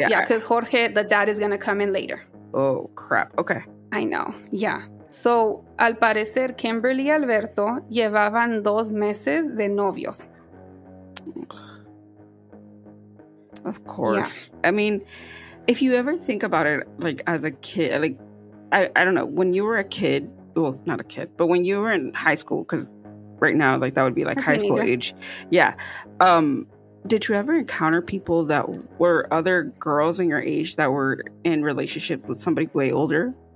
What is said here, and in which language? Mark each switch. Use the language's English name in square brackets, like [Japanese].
[English] Yeah, because Jorge, the dad, is going to come in later. Oh, crap. Okay. I know. Yeah. [Spanish] So, al parecer, Kimberly y Alberto llevaban 2 meses de novios. [English] Of course. Yeah. I mean, if you ever think about it, like as a kid, like, I don't know, when you were a kid, well, not a kid, but when you were in high school, because right now, like, that would be, like, high school age. Yeah. Did you ever encounter people that were other girls in your age that were in relationships with somebody way older?